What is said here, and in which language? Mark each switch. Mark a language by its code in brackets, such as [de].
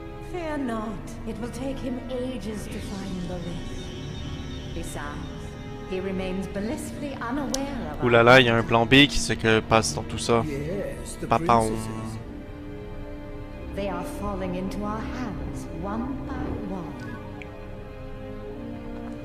[en] Fear not, it will take him ages to find the ring. Besides, he remains blissfully unaware of. [fr] Ouh là là, il y a un plan B qui se passe dans tout ça. Papa. [en] They are falling into our hands one by one.